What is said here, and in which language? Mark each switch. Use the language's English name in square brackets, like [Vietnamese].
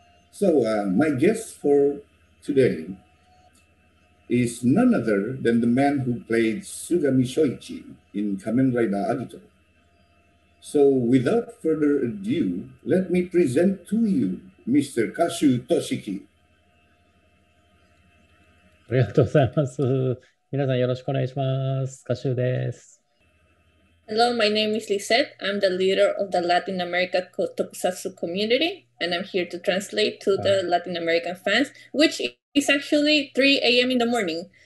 [English] So my guest for today is none other than the man who played Sugami Shoichi in Kamen Rider Agito. So without further ado, let me present to you Mr. Kashu Toshiki. [Japanese] ありがとうございます。皆さんよろしくお願いします。カシューです。 [English] Hello, my name is Lisette. I'm the leader of the Latin America Tokusatsu community, and I'm here to translate to the Latin American fans, which is actually 3 a.m. in the morning.